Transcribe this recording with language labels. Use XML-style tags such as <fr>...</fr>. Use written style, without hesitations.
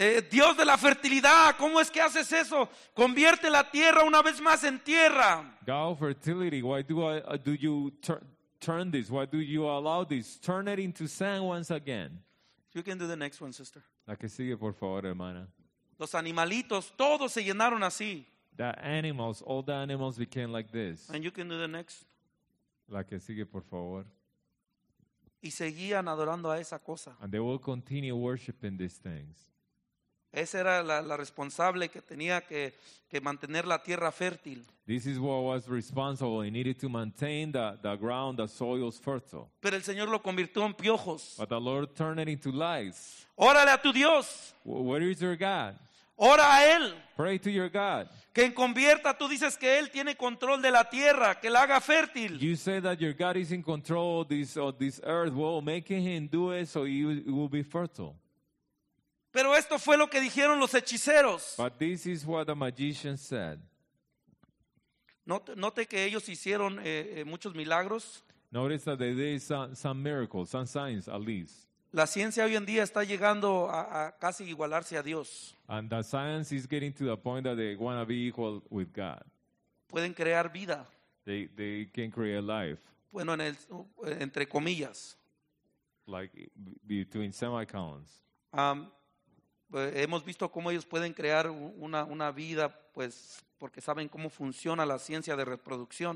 <es>Dios de la fertilidad, ¿cómo es que haces eso? Convierte la tierra una vez más en tierra.</es> <en>God of fertility, why do you turn this? Why do you allow this? Turn it into sand once again. You can do the next one, sister.</en> <es>La que sigue, por favor, hermana. Los animalitos, todos se llenaron así.</es> <en>The animals, all the animals became like this. And you can do the next.</en> <es>La que sigue, por favor. Y seguían adorando a esa cosa.</es> <en>And they will continue worshiping these things.</en> <es>Esa era la responsable que tenía que mantener la tierra fértil.</es> <en>This is what was responsible. He needed to maintain the ground, the soil's fertile.</en> <es>Pero el Señor lo convirtió en piojos.</es> <en>But the Lord turned it into lice.</en> <es>Órale a tu Dios.</es> <en>Where is your God?</en> <es>Ora a él.</es> <en>Pray to your God.</en> <es>Que en convierta, tú dices que él tiene control de la tierra, que la haga fértil.</es> <en>You say that your God is in control of this earth. Well, make him do it so it will be fertile.</en> <es>Pero esto fue lo que dijeron los hechiceros.</es> <en>But this is what the magician said.</en> <es>Note que ellos hicieron muchos milagros.</es> <en>Notice that they did some miracles, some signs at least.</en> <es>La ciencia hoy en día está llegando a casi igualarse a Dios.</es> <en>And the science is getting to the point that they want to be equal with God.</en> <es>Pueden crear vida.</es> <en>They can create life.</en> <es>Bueno, en el, entre comillas.</es> <en>Like between semicolons.</en> <es>Hemos visto cómo ellos pueden crear una vida, pues, porque saben cómo funciona la ciencia de reproducción.</es>